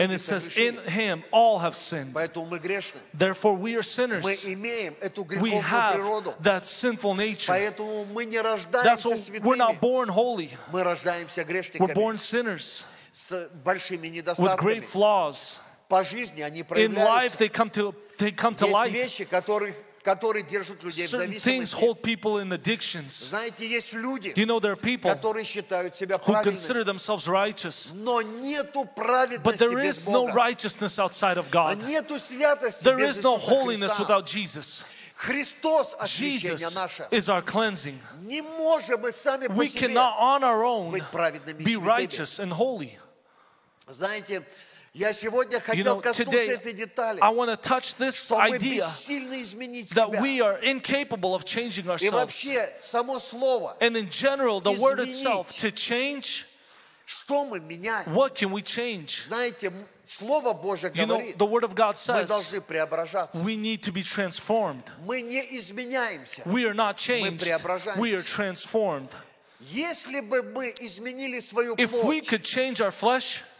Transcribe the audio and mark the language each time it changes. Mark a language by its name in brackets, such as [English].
[English] And it says in him all have sinned. [Russian] Поэтому мы грешны. [English] Therefore we are sinners. [Russian] Мы имеем эту греховную природу. [English] We have that sinful nature. [Russian] Поэтому мы не рождаемся [English] That's [Russian] святыми. [English] We're not born holy. [Russian] Мы рождаемся грешниками. [English] We're born sinners. [Russian] С большими недостатками. [English] With great flaws. [Russian] По жизни они проявляются. [English] In life they come to [Russian] Есть Вещи, которые которые держат людей в зависимости. [English] Certain things hold people in addictions. [Russian] Знаете, есть люди, [English] you know, there are people [Russian] которые считают себя [English] who consider themselves righteous. [Russian] Но нету праведности [English] But there is [Russian] без Бога. [English] No righteousness outside of God. [Russian] Нету святости [English] there [Russian] без [English] is no [Russian] Христа. [English] Holiness without Jesus. [Russian] Христос [English] Jesus [Russian] наше. [English] Is our cleansing. [Russian] Не можем мы сами [English] we cannot on our own [Russian] быть праведными [English] be [Russian] святыми. [English] Righteous and holy. [Russian] Знаете, Я сегодня хотел коснуться этой детали. [English] I want to touch this idea that we are incapable of changing ourselves. [Russian] И вообще само слово [English] And in general, the word itself to change [Russian] Что мы меняем? [English] What can we change? [Russian] Знаете, слово Божье говорит. [English] You know, the word of God says. [Russian] Мы должны преображаться. [English] We need to be transformed. [Russian] Мы не изменяемся. [English] We are not changed. [Russian] Мы преображаемся. [English] We are transformed. [Russian] Если бы мы изменили свою плоть. [English] If we could change our flesh.